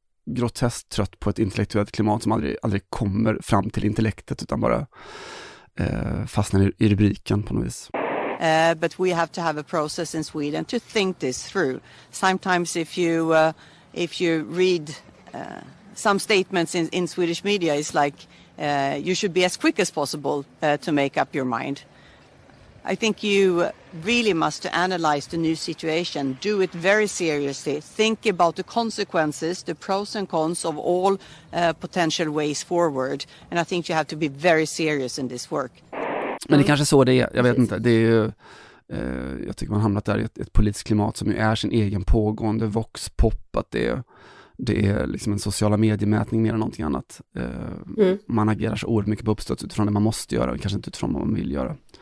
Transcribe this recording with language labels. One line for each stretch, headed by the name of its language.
Swedish: groteskt trött på ett intellektuellt klimat som aldrig kommer fram till intellektet, utan bara fastnar i rubriken på något vis.
English: But we have to have a process in Sweden to think this through. Sometimes if you read some statements in Swedish media, it's like you should be as quick as possible to make up your mind. I think you really must analyze the new situation, do it very seriously, think about the consequences, the pros and cons of all potential ways forward. And I think you have to be very serious in this work.
Swedish: Men det kanske så det är, jag vet inte. Det är ju, jag tycker man hamnat där i ett politiskt klimat som ju är sin egen pågående vox pop, att det är liksom en sociala mediemätning mer än någonting annat. Man agerar så oerhört mycket på uppstuds utifrån det man måste göra, kanske inte utifrån vad man vill göra.